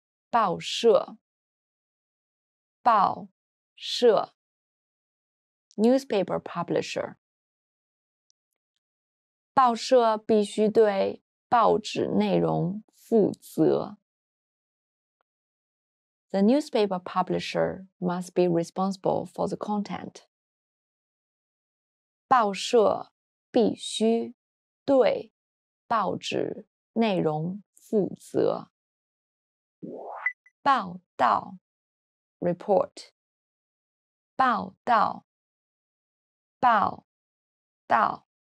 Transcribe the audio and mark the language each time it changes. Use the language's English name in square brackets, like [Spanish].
[Chinese] 报社报社 [English] Newspaper publisher [Chinese] 报社必须对报纸内容负责 [English] The newspaper publisher must be responsible for the content [Chinese] 报社必须对报纸内容负责报道 [English] report [Chinese] 报道报道